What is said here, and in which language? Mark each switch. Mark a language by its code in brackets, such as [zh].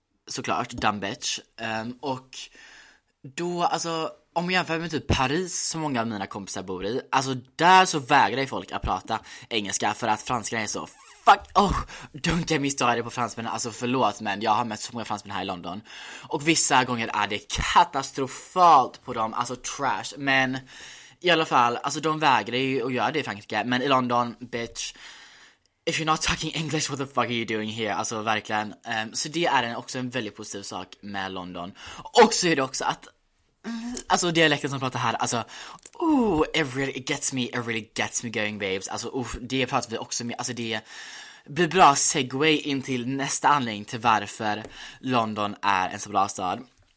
[sv] Såklart, [en] dumb bitch. [sv] Och då, alltså, om jag jämför med typ Paris, som många av mina kompisar bor i, alltså där så vägrar folk att prata engelska. För att franskarna är så fuck, [en] oh, don't get me started [sv] på fransmännen. Alltså förlåt, men jag har mött så många fransmän här i London. Och vissa gånger är det katastrofalt på dem. Alltså trash. Men i alla fall, alltså de vägrar ju att göra det i Frankrike. [en] Men i London, bitch, if you're not talking English, what the fuck are you doing here? [sv] Alltså verkligen. Så det är också en väldigt positiv sak med London. Och så är det också att, alltså dialekten som pratar här, alltså, [en] ooh, it really gets me going, babes. [sv] Alltså det pratar vi också med. Alltså det blir bra segue in till nästa anledning till varför London är en så bra stad.